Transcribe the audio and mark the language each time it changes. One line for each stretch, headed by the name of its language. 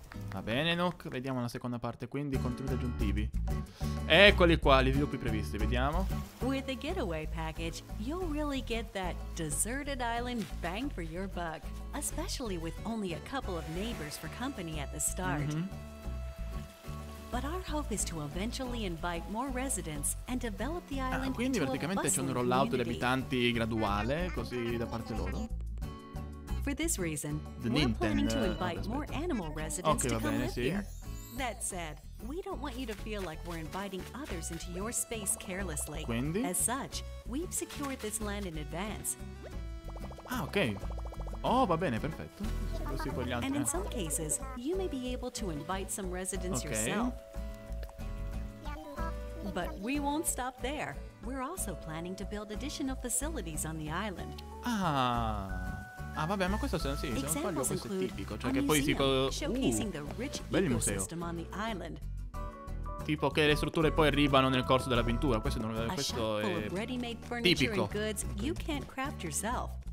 Italian: Va bene, Nook. Vediamo la seconda parte, quindi contenuti aggiuntivi. Eccoli qua, gli sviluppi previsti, vediamo.
English: With the getaway package, you'll really get that deserted island bang for your buck, especially with only a couple of neighbors for company at the start. But our hope is to eventually invite more residents and develop the island.
Italian: Ah, quindi praticamente c'è un rollout di abitanti graduale, così da parte loro.
English: For this reason, we're planning to invite more animal residents to come live here. That said, we don't want you to feel like we're inviting others into your space carelessly.
Italian: Quindi?
English: As such, we've secured this land in advance.
Italian: Ah, okay. Oh, va bene, perfetto. Così con gli altri.
English: And in some cases, you may be able to invite some residents yourself. But we won't stop there. We're also planning to build additional facilities on the island.
Italian: Ah, vabbè, ma questo sì, se non sbaglio, questo è tipico. Cioè che poi si
English: showcasing the rich ecosystem on the island.
Italian: Tipo che le strutture poi arrivano nel corso dell'avventura. Questo non questo è
English: ready-made
Italian: furniture tipico.
English: And goods you can't craft yourself.